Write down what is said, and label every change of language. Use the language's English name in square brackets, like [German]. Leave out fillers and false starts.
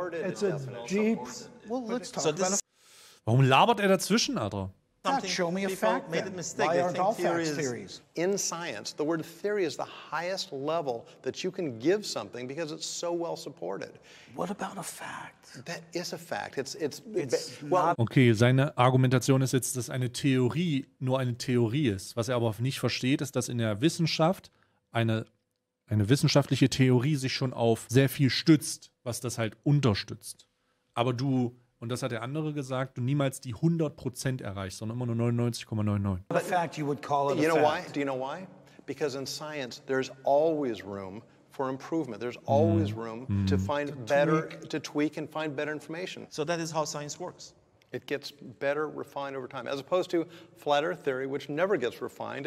[English] It's a deep... Well, let's talk about it. [German] Warum labert er dazwischen, Alter? [English] Show me a fact. Made a mistake. They think theories. In science, the word theory is the highest level that you can give something because it's so well supported. What about a fact? That is a fact. [German] Okay, seine Argumentation ist jetzt, dass eine Theorie nur eine Theorie ist. Was er aber nicht versteht, ist, dass in der Wissenschaft eine wissenschaftliche Theorie sich schon auf sehr viel stützt, was das halt unterstützt. Aber du... Und das hat der andere gesagt, du niemals die 100% erreichst, sondern immer nur 99,99. [English] The fact you would call it a fact. Do you know why? Because in science there's always room for improvement. There's always room to find better, to tweak and find better information. So that is how science works. It gets better refined over time, as opposed to flat earth theory, which never gets refined.